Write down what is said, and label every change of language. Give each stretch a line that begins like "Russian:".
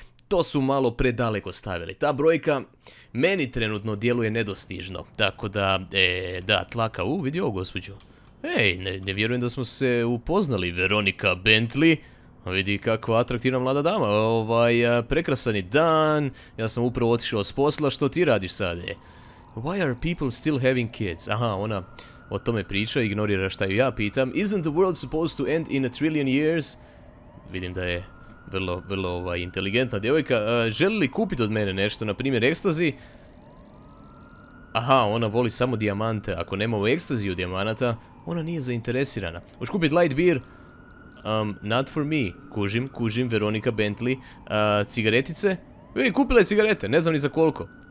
Croatian: To su malo predaleko stavili. Ta brojka meni trenutno djeluje nedostižno. Tako da, da, tlaka. Vidi ovo, gospođu. Ej, ne vjerujem da smo se upoznali, Veronika Bentley. Vidi kakva atraktivna mlada dama. Prekrasani dan. Ja sam upravo otišao s posla. Što ti radiš sad?
English: Why are people still having kids?
Croatian: Aha, ona o tome priča, ignorira šta ju ja pitam.
English: Isn't the world supposed to end in a trillion years?
Croatian: Vidim da je vrlo, vrlo inteligentna djevojka. Želi li kupiti od mene nešto, na primjer ekstazi? Aha, ona voli samo dijamante. Ako nema u ekstaziju dijamanata, ona nije zainteresirana. Hoš kupit light beer?
English: Not for me.
Croatian: Kužim, Veronika Bentley. Cigaretice? Ej, kupila je cigarete, ne znam ni za koliko.